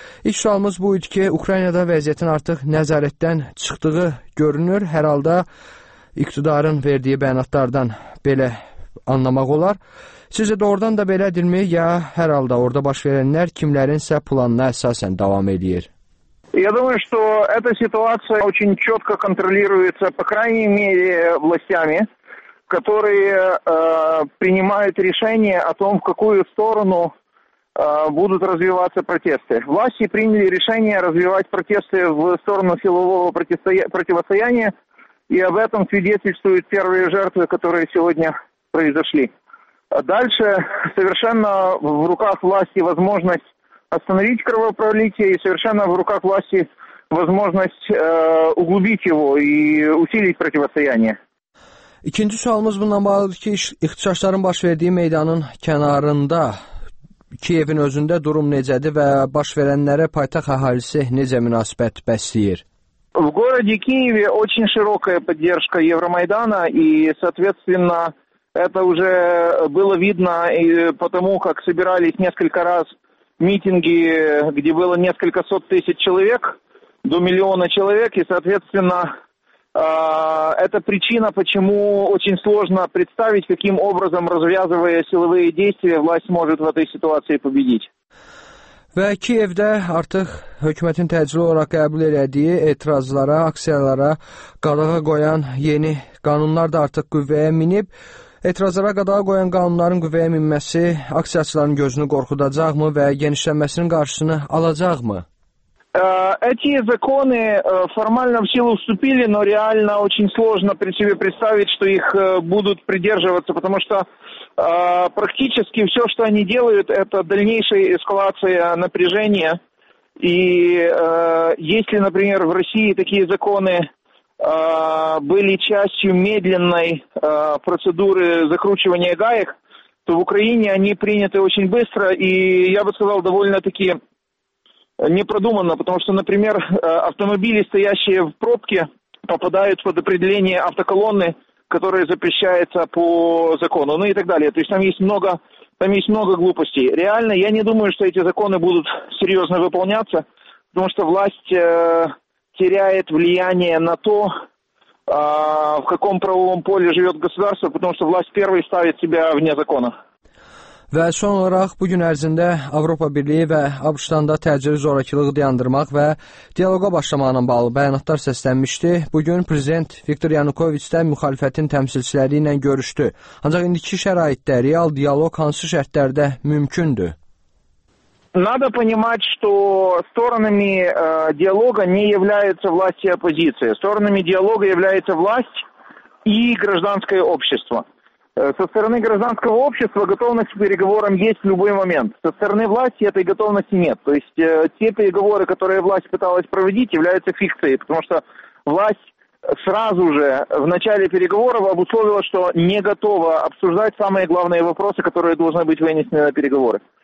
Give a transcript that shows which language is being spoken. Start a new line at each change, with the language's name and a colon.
Azerbaijani: İlk sualımız bu idi ki, Ukraynada vəziyyətin artıq nəzarətdən çıxdığı görünür. Hər halda iqtidarın verdiyi bəyanatlardan belə anlamaq olar. Sizə doğrudan da belədirmi, ya hər halda orada baş verənlər kimlərinsə planına əsasən davam edir?
Russian: Я думаю, что эта ситуация очень четко контролируется, по крайней мере, властями, которые принимают решение о том, в какую сторону будут развиваться протесты. Власти приняли решение развивать протесты в сторону силового противостояния, и об этом свидетельствуют первые жертвы, которые сегодня произошли. Дальше совершенно в руках власти возможность остановить кровопролитие и совершенно в руках власти возможность углубить его и усилить противостояние.
Azerbaijani: İkinci sualımız bununla bağlıdır ki, ixtişaşların baş verdiyi meydanın kənarında Kiyevin özündə durum necədir və baş verənlərə paytaxt əhalisi necə münasibət bəsləyir?
Russian: В городе Киеве очень широкая поддержка Евромайдана и, соответственно, это уже было видно и потому, как собирались несколько раз митинги, где было несколько сот тысяч человек, до миллиона человек, и, соответственно, это причина, почему очень сложно представить, каким образом, развязывая силовые действия, власть может в этой ситуации победить.
Azerbaijani: Və Kiyevdə artıq hökumətin təcili olaraq qəbul elədiyi etirazlara, aksiyalara qadağa qoyan yeni qanunlar da artıq qüvvəyə minib. Etirazlara qadağa qoyan qanunların qüvvəyə minməsi aksiyacıların gözünü qorxudacaqmı və genişlənməsinin qarşısını alacaqmı?
Russian: Эти законы формально в силу вступили, но реально очень сложно себе представить, что их будут придерживаться, потому что практически все, что они делают, это дальнейшая эскалация напряжения. И если, например, в России такие законы были частью медленной процедуры закручивания гаек, то в Украине они приняты очень быстро и, я бы сказал, довольно-таки непродуманно, потому что, например, автомобили, стоящие в пробке, попадают под определение автоколонны, которая запрещается по закону, ну и так далее. То есть там есть много глупостей. Реально, я не думаю, что эти законы будут серьезно выполняться, потому что власть теряет влияние на то, в каком правовом поле живет государство, потому что власть первой ставит себя вне закона.
Azerbaijani: Və son olaraq bugün ərzində Avropa Birliyi və Abşistanda təcili zorakılığı dayandırmaq və dialoqa başlamaqla bağlı bəyanatlar səslənmişdi. Bugün Prezident Viktor Yanukovic də müxalifətin təmsilçiləri ilə görüşdü. Ancaq indiki şəraitdə real dialoq hansı şərtlərdə mümkündür?
Russian: Надо понимать, что сторонами диалога не являются власть и оппозиция. Сторонами диалога является власть и гражданское общество. Со стороны гражданского общества готовность к переговорам есть в любой момент. Со стороны власти этой готовности нет. То есть те переговоры, которые власть пыталась проводить, являются фикцией, потому что власть сразу же в начале переговоров обусловила, что не готова обсуждать самые главные вопросы, которые должны быть вынесены на переговоры.